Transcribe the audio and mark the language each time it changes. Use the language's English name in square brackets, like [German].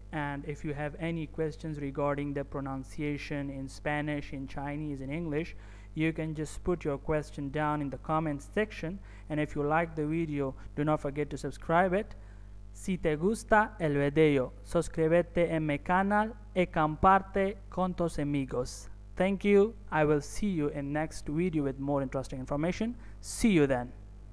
[English] And if you have any questions regarding the pronunciation in Spanish, in Chinese, in English, you can just put your question down in the comments section. And if you like the video, do not forget to subscribe it. [Spanish] Si te gusta el video, suscríbete en mi canal y comparte con tus amigos. [English] Thank you. I will see you in next video with more interesting information. See you then.